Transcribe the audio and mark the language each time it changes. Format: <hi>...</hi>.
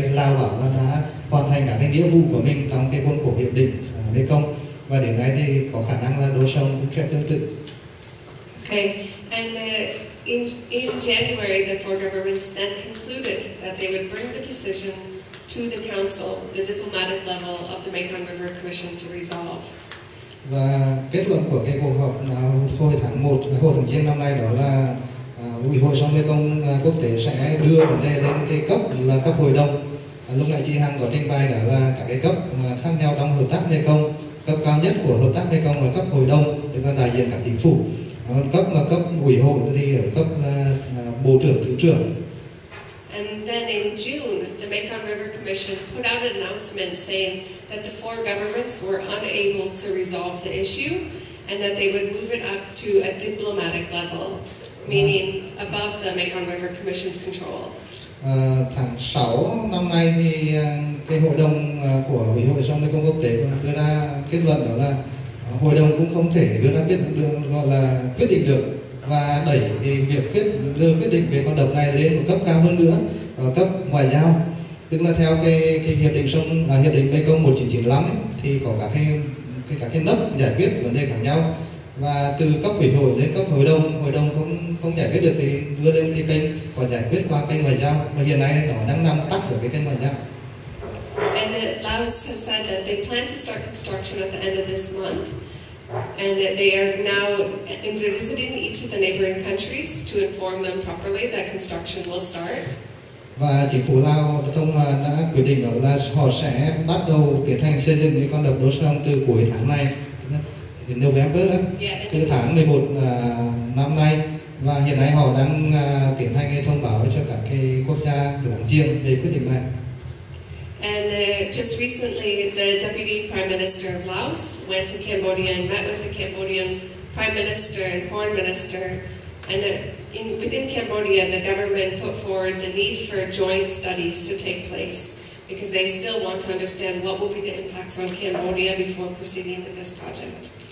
<vi>Lao bảo là đã hoàn thành cả cái nghĩa vụ của mình trong cái khuôn khổ hiệp định Mê Công và đến nay thì có khả năng là Don Sohon cũng sẽ tương tự.</vi> <en>Okay, and in January, the four governments then concluded that they would bring the decision to the council, the diplomatic level of the Mekong River Commission to resolve.</en> <vi>Và kết luận của cái cuộc họp hồi tháng 1, hồi tháng riêng năm nay đó là Ủy hội sông Mekong quốc tế sẽ đưa vấn đề lên cái cấp là cấp hội đồng Lúc nãy chị Hằng có trình bày đó là các cái cấp khác nhau trong hợp tác Mê Công. Cấp cao nhất của hợp tác Mê Công là cấp hội đồng, tức là đại diện các chính phủ. Còn cấp mà cấp ủy hội thì ở cấp bộ trưởng, thứ trưởng.</vi> <en>And then in June, the Mekong River Commission put out an announcement saying that the four governments were unable to resolve the issue and that they would move it up to a diplomatic level, meaning above the Mekong River Commission's control.</en> <vi>Tháng 6 năm nay thì cái hội đồng của Ủy hội sông Mekong quốc tế cũng đưa ra kết luận đó là hội đồng cũng không thể đưa ra biết gọi là quyết định được và đẩy cái việc đưa quyết định về con đập này lên một cấp cao hơn nữa, cấp ngoại giao, tức là theo cái hiệp định sông hiệp định Mekong 1995 ấy, thì có các cái nấc giải quyết vấn đề khác nhau và từ cấp ủy hội đến cấp hội đồng không giải quyết được thì đưa lên cái kênh và giải quyết qua kênh ngoại giao, mà hiện nay nó đang nằm tắt ở cái kênh ngoại giao.</vi> <en>And Laos has said that they plan to start construction at the end of this month, and they are now visiting each of the neighboring countries to inform them properly that construction will start.</en> <vi>Và chính phủ Lào thông đã quyết định đó là họ sẽ bắt đầu tiến hành xây dựng cái con đập đối sông từ cuối tháng này, November, từ tháng 11 năm nay, và hiện nay họ đang tiến hành thông báo cho các cái quốc gia láng giềng về quyết định này.</vi> <en>And just recently, the Deputy Prime Minister of Laos went to Cambodia and met with the Cambodian Prime Minister and Foreign Minister. And within Cambodia, the government put forward the need for joint studies to take place because they still want to understand what will be the impacts on Cambodia before proceeding with this project.</en>